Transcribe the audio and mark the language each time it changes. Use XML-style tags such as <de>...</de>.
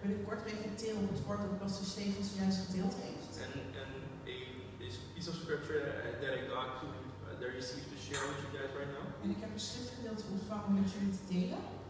<nl>Wil ik kort reflecteren op het woord dat Pastor Stephen zojuist gedeeld heeft.</nl> <en>And a piece of scripture that I got to that I received to share with you guys right now.</en> <nl>En ik heb een schriftgedeelte ontvangen om met jullie te delen.</nl>